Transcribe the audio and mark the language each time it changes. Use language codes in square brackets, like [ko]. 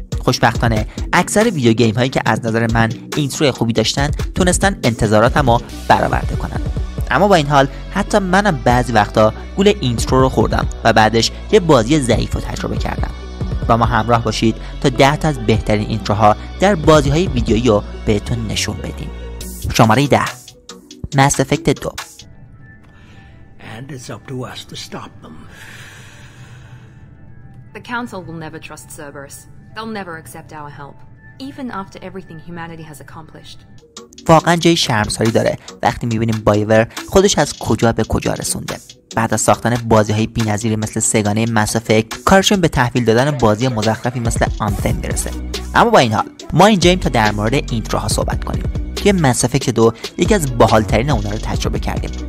[fa] خوشبختانه اکثر ویدیو گیم هایی که از نظر من اینتروی خوبی داشتن تونستن انتظاراتمو برآورده کنن. اما با این حال حتی منم بعضی وقتا گول اینترو رو خوردم و بعدش یه بازی ضعیف رو تجربه کردم. با ما همراه باشید تا 10 تا از بهترین اینتروها در بازی های ویدیویی رو بهتون نشون بدیم. شماره 10، [en] Mass Effect 2. And it's up to us to stop them. The council will never trust Cerberus. They'll never accept our help, even after everything humanity has accomplished. [fa] واقعا جای شرمساری داره وقتی میبینیم بایور خودش از کجا به کجا رسونده. بعد از ساختن بازی‌های بی‌نظیری مثل سگانه Mass Effect، کارشون به تحویل دادن بازی مزخرفی مثل آنتم میرسه. اما با این حال، ما اینجاییم تا در مورد اینتروها صحبت کنیم. که Mass Effect 2 یکی از باحال‌ترین اونا رو تجربه کردیم.